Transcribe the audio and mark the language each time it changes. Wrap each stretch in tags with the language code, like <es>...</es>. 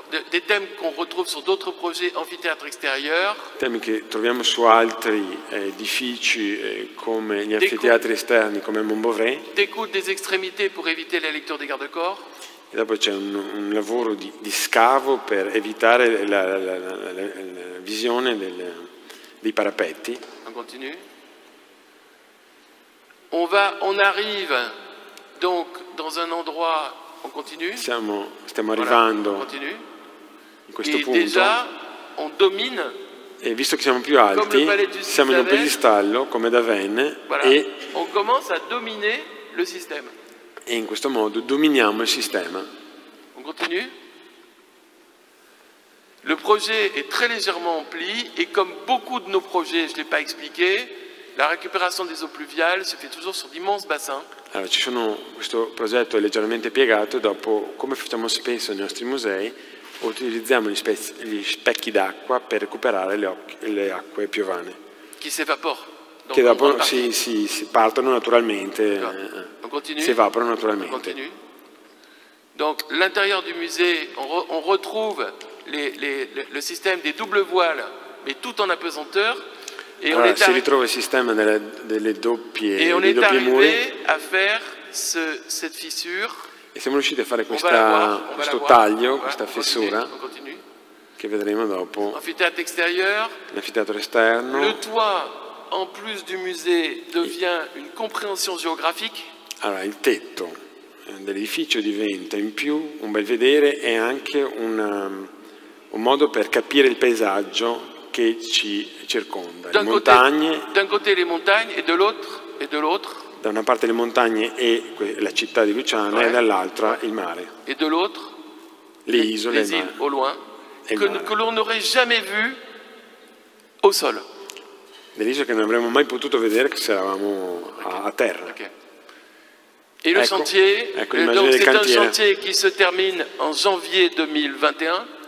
<fr>Des thèmes qu'on retrouve sur d'autres projets amphithéâtres extérieurs.</fr> <it>Temi che troviamo su altri edifici come gli anfiteatri esterni come Montbovè.</it> <fr>Découpe des extrémités pour éviter la lecture des garde-corps.</fr> <it>E dopo c'è un lavoro di scavo per evitare la visione dei parapetti.</it> <fr>On continue. On arrive donc dans un endroit. On continue.</fr> <it>Stiamo arrivando.</it> <fr>Voilà, continue.</fr> <it>In questo</it> <fr>et</fr> <it>punto.</it> <fr>Déjà, on domine.</fr> <it>E visto che siamo più alti, siamo in un piedistallo come da Venne.</it> <fr>Voilà.</fr> <it>E</it> <fr>on commence à dominer le système.</fr> <it>E in questo modo dominiamo il sistema.</it> <fr>On continue. Le projet est très légèrement ampli et comme beaucoup de nos projets, je l'ai pas expliqué, la récupération des eaux pluviales se fait toujours sur d'immenses bassins.</fr> <it>Allora, questo progetto è leggermente piegato e dopo, come facciamo spesso nei nostri musei, utilizziamo gli specchi d'acqua per recuperare le acque piovane.</it> <fr>Qui s'évapore.</fr> <it>Che dopo si partono naturalmente,</it> <fr>continue,</fr> <it>si evaporano naturalmente.</it> <fr>Donc, l'intérieur du musée, on retrouve le système des double voiles, mais tout en appesanteur.</fr> <it>Et allora, si ritrova il sistema delle doppie muri. E on</it> <fr>est arrivé à faire cette fissure.</fr> <it>E siamo riusciti a fare questo taglio, questa fessura.</it> <fr>Continue.</fr> <it>Che vedremo dopo.</it> <fr>L'anfiteatro extérieur.</fr> <it>L'anfiteatro esterno.</it> <fr>Le toit, en plus du musée, devient une compréhension géographique.</fr> <it>Allora, il tetto dell'edificio diventa in più un bel vedere e anche un modo per capire il paesaggio che ci circonda, le montagne.</it> <fr>D'un côté les montagnes et de l'autre</fr> <it>Da una parte le montagne e la città di Luciana, ouais, e dall'altra il mare.</it> <fr>Et de l'autre</fr> <it>les isole</it> <fr>les îles, au loin que l'on n'aurait jamais vu au sol.</fr> <it>Delle isole che non avremmo mai potuto vedere che eravamo a terra.</it> <fr>Okay. Et le sentier, donc c'est un chantier qui se termine en janvier 2021.</fr>